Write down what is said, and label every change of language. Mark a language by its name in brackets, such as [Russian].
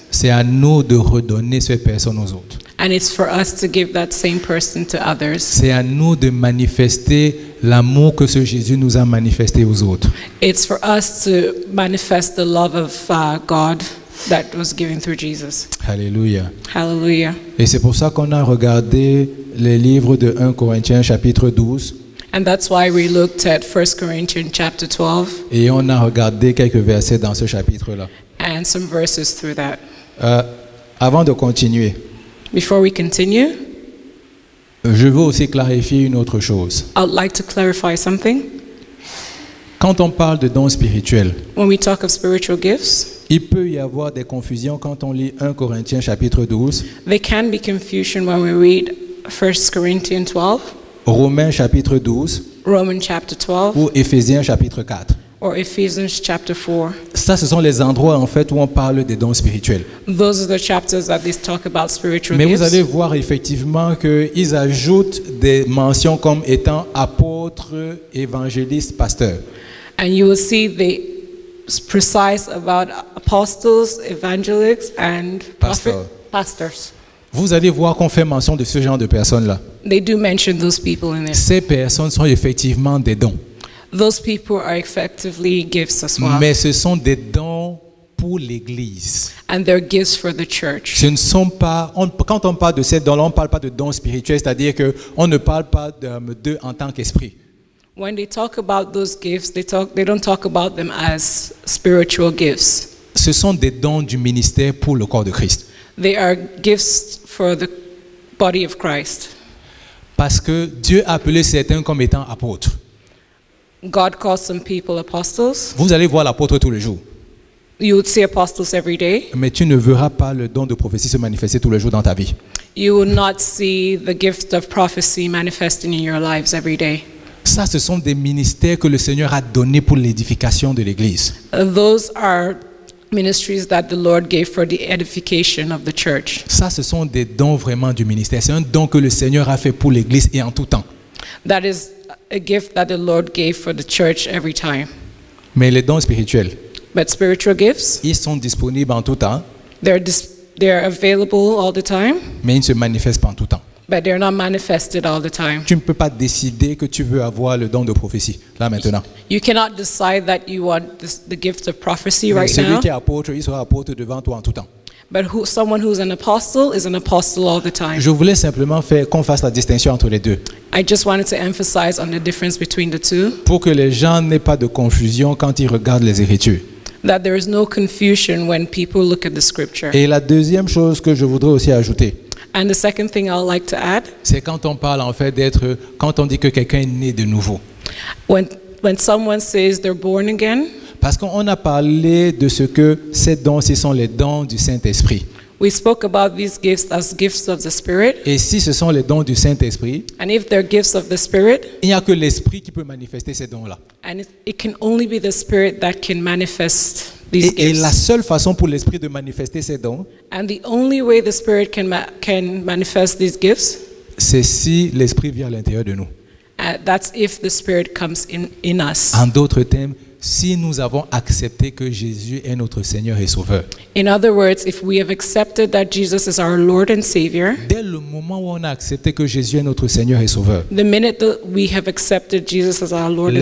[French] C'est à nous de redonner cette personne aux autres. [English] And it's for us to give that same person to others. [French] C'est à nous de manifester l'amour que ce Jésus nous a manifesté aux autres. [English] It's for us to manifest the love of God that was given through Jesus. Hallelujah. Hallelujah. [French] Et c'est pour ça qu'on a regardé les livres de 1 Corinthiens chapitre 12. [English] And that's why we looked at 1 Corinthians chapter 12. [French] Et on a regardé quelques versets dans ce chapitre-là. [English] And some verses through that. [French] Avant de continuer, [English] Before we continue, [French] je veux aussi clarifier une autre chose. [English] I'd like to clarify something. [French] Quand on parle de dons spirituels, [English] when we talk of spiritual gifts, [French] il peut y avoir des confusions quand on lit 1 Corinthiens chapitre 12. [English] There can be confusion when we read 1 Corinthians 12. [French] Romains chapitre 12. [English] Romans chapter 12. [French] Ou Éphésiens chapitre 4. [English] Or Ephesians chapter 4. [French] Ça, ce sont les endroits en fait où on parle des dons spirituels. [English] Those are the chapters that they talk about spiritual [French] gifts. Mais vous allez voir effectivement qu'ils ajoutent des mentions comme étant apôtres, évangélistes, pasteurs. [English] And you will see they precise about apostles, evangelists, and pastors. [French] Vous allez voir qu'on fait mention de ce genre de personnes-là. [English] They do mention those people in it. [French] Ces personnes sont effectivement des dons. [English] Those people are effectively gifts as well. [French] Mais ce sont des dons pour l'Église. [English] And they're gifts for the church. [French] Ce ne sont pas, quand on parle de ces dons-là, on ne parle pas de dons spirituels, c'est-à-dire que on ne parle pas d'eux en tant qu'esprit. [English] When they talk about those gifts, they don't talk about them as spiritual gifts. [French] Ce sont des dons du ministère pour le corps de Christ. [English] They are gifts for the body of Christ. [French] Parce que Dieu a appelé certains comme étant apôtres. [English] God calls some people apostles. [French] Vous allez voir l'apôtre tous les jours. [English] You would see apostles every day. [French] Mais tu ne verras pas le don de prophétie se manifester tous les jours dans ta vie. [English] You will not see the gift of prophecy manifesting in your lives every day. [French] Ça, ce sont des ministères que le Seigneur a donné pour l'édification de l'Église. [English] Those are ministries that the Lord gave for the edification of the church. [French] Ça, ce sont des dons vraiment du ministère. C'est un don que le Seigneur a fait pour l'Église et en tout temps. [English] That is a gift that the Lord gave for the church every time. [French] Mais les dons spirituels, [English] but spiritual gifts, [French] ils sont disponibles en tout temps. [English] They're available all the time. [French] Mais ils ne se manifestent pas en tout temps. [English] But they're not manifested all the time. [French] Tu ne peux pas décider que tu veux avoir le don de prophétie là maintenant. [English] You cannot decide that you want the gift of prophecy right [French] celui [English] now. [French] Celui qui est apôtre, il sera apôtre devant toi en tout temps. [English] But someone who's an apostle is an apostle all the time. [French] Je voulais simplement faire qu'on fasse la distinction entre les deux. [English] I just wanted to emphasize on the difference between the two. [French] Pour que les gens n'aient pas de confusion quand ils regardent les Écritures. [English] That there is no confusion when people look at the scripture. [French] Et la deuxième chose que je voudrais aussi ajouter. [English] And the second thing I'd like to add. [French] C'est quand on parle en fait d'être, quand on dit que quelqu'un est né de nouveau. [English] When someone says they're born again. [French] Parce qu'on a parlé de ce que ces dons, ce sont les dons du Saint-Esprit. [English] We spoke about these gifts as gifts of the Spirit. [French] Et si ce sont les dons du Saint-Esprit, [English] and if they're gifts of the Spirit, [French] il n'y a que l'Esprit qui peut manifester ces dons-là. [English] And it can only be the Spirit that can manifest these gifts. [French] Et la seule façon pour l'Esprit de manifester ces dons, [English] and the only way the Spirit can manifest these gifts, [French] c'est si l'Esprit vient à l'intérieur de nous. [English] That's if the Spirit comes in us. [French] En d'autres termes, si nous avons accepté que Jésus est notre Seigneur et Sauveur. [English] In other words, if we have accepted that Jesus is our Lord and Savior. [French] Dès le moment où on a accepté que Jésus est notre Seigneur et Sauveur. [English] The minute that we have accepted Jesus as our Lord and Savior.